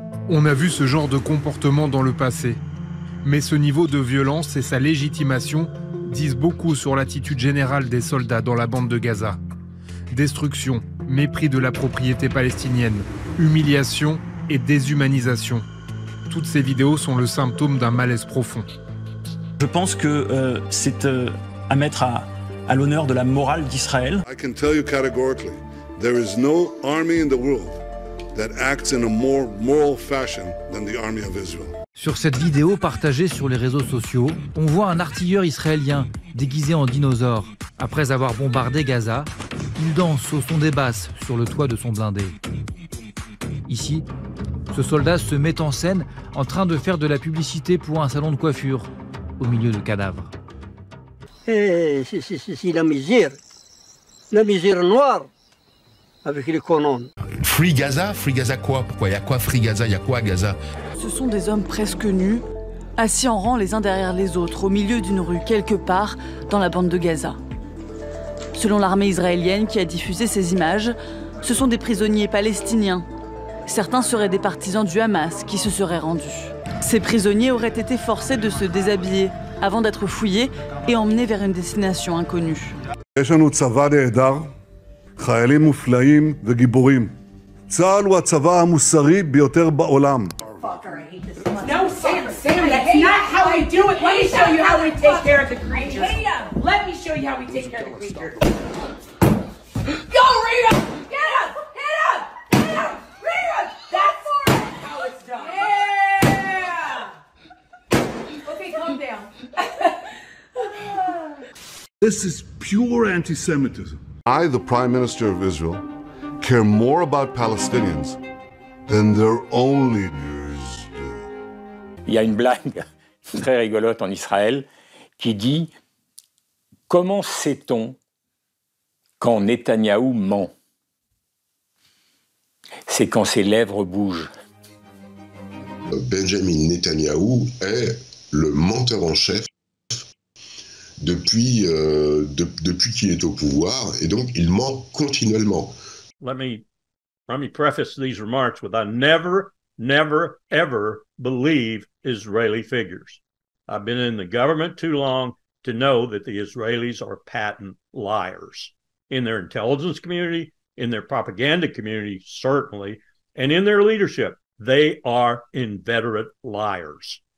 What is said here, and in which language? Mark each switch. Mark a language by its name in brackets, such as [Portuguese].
[French] On a vu ce genre de comportement dans le passé. Mais ce niveau de violence et sa légitimation disent beaucoup sur l'attitude générale des soldats dans la bande de Gaza. Destruction, mépris de la propriété palestinienne, humiliation et déshumanisation. Toutes ces vidéos sont le symptôme d'un malaise profond. Je pense que c'est à mettre à l'honneur de la morale d'Israël. [English] I can tell you categorically, there is no army in the world that acts in a more moral fashion than the army of Israel. [French] Sur cette vidéo partagée sur les réseaux sociaux, on voit un artilleur israélien déguisé en dinosaure. Après avoir bombardé Gaza, il danse au son des basses sur le toit de son blindé. Ici, ce soldat se met en scène en train de faire de la publicité pour un salon de coiffure au milieu de cadavres. C'est la misère. La misère noire avec les colonnes. Free Gaza ? Free Gaza quoi ? Pourquoi ? Il y a quoi Free Gaza ? Il y a quoi Gaza ? Ce sont des hommes presque nus, assis en rang les uns derrière les autres, au milieu d'une rue, quelque part, dans la bande de Gaza. Selon l'armée israélienne qui a diffusé ces images, ce sont des prisonniers palestiniens. Certains seraient des partisans du Hamas qui se seraient rendus. Ces prisonniers auraient été forcés de se déshabiller avant d'être fouillés et emmenés vers une destination inconnue. Nous avons un [Hebrew] צבא נהדר, חיילים מופלאים וגיבורים. צה"ל הוא הצבא המוסרי ביותר בעולם. [English] This is pure anti-Semitism. I, the Prime Minister of Israel, care more about Palestinians than their own leaders do. [French] Il y a une blague très rigolote en Israël qui dit « Comment sait-on quand Netanyahou ment ?» C'est quand ses lèvres bougent. Benjamin Netanyahou est le menteur en chef depuis qu'il est au pouvoir, et donc il ment continuellement. [English] Let me preface these remarks with I never, never, ever believe Israeli figures. I've been in the government too long to know that the Israelis are patent liars. In their intelligence community, in their propaganda community, certainly, and in their leadership, they are inveterate liars.